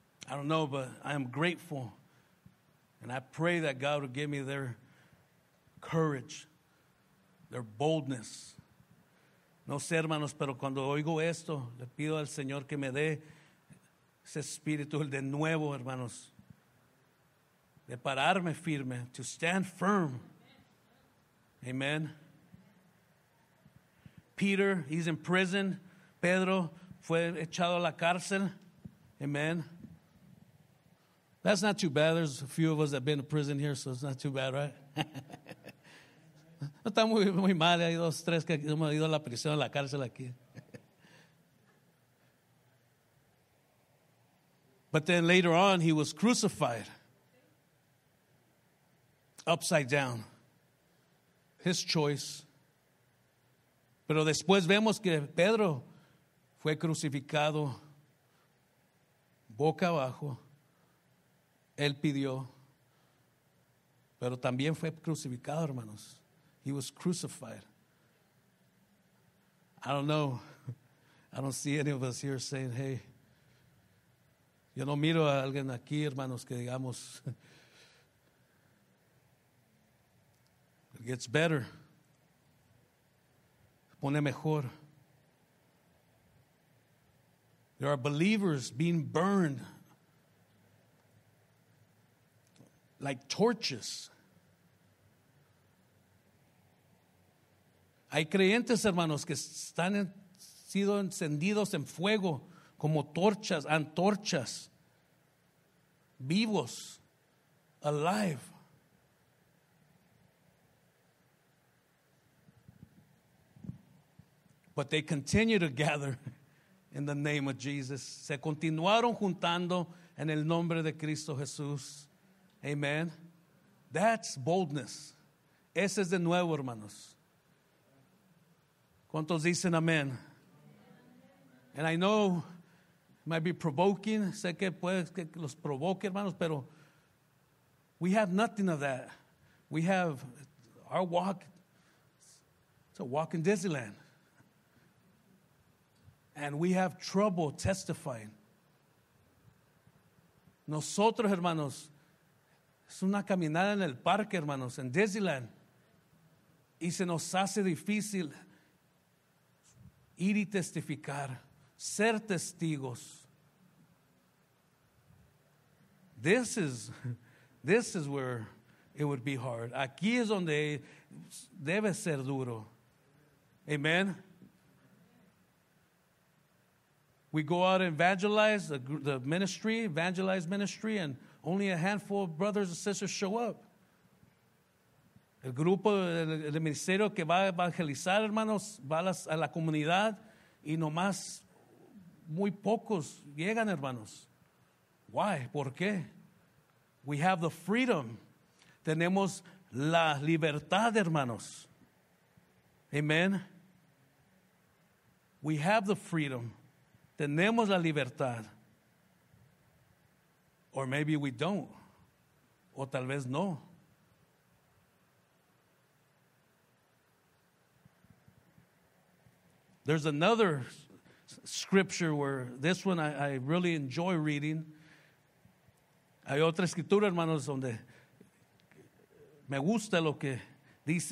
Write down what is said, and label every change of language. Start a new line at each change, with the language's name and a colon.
English: I don't know, but I am grateful. And I pray that God will give me their courage, their boldness.
Spanish: No sé, hermanos, pero cuando oigo esto, le pido al Señor que me dé ese espíritu, el de nuevo, hermanos, de pararme firme,
English: to stand firm.
Spanish: Amen.
English: Peter, he's in prison.
Spanish: Pedro fue echado a la cárcel.
English: Amen. That's not too bad. There's a few of us that have been in prison here, so it's not too bad, right?
Spanish: No está muy mal. Hay dos, tres que hemos ido a la prisión, a la cárcel aquí.
English: But then later on, he was crucified. Upside down. His choice.
Spanish: Pero después vemos que Pedro fue crucificado boca abajo. Él pidió, pero también fue crucificado, hermanos.
English: He was crucified. I don't know. I don't see any of us here saying, hey.
Spanish: Yo no miro a alguien aquí, hermanos, que digamos.
English: It gets better.
Spanish: Pone mejor.
English: There are believers being burned. Like torches.
Spanish: Hay creyentes, hermanos, que están sido encendidos en fuego como torchas, antorchas, vivos, alive.
English: But they continue to gather in the name of Jesus.
Spanish: Se continuaron juntando en el nombre de Cristo Jesús. Amen.
English: That's boldness.
Spanish: Ese es de nuevo, hermanos. ¿Cuántos dicen amén?
English: And I know it might be provoking.
Spanish: Sé que puede que los provoque, hermanos, pero
English: we have nothing of that. We have our walk. It's a walk in Disneyland. And we have trouble testifying.
Spanish: Nosotros, hermanos, es una caminada en el parque, hermanos, en Disneyland. Y se nos hace difícil ir y testificar, ser testigos.
English: This is where it would be hard.
Spanish: Aquí es donde debe ser duro. Amen.
English: We go out and evangelize the ministry, evangelize ministry, and only a handful of brothers and sisters show up.
Spanish: El grupo del ministerio que va a evangelizar, hermanos, va a la comunidad y nomás muy pocos llegan, hermanos.
English: Why?
Spanish: ¿Por qué?
English: We have the freedom.
Spanish: Tenemos la libertad, hermanos.
English: Amen. We have the freedom.
Spanish: Tenemos la libertad.
English: Or maybe we don't.
Spanish: O tal vez no.
English: There's another scripture where this one I really enjoy reading.
Spanish: Hay otra escritura, hermanos, donde me gusta lo que dice.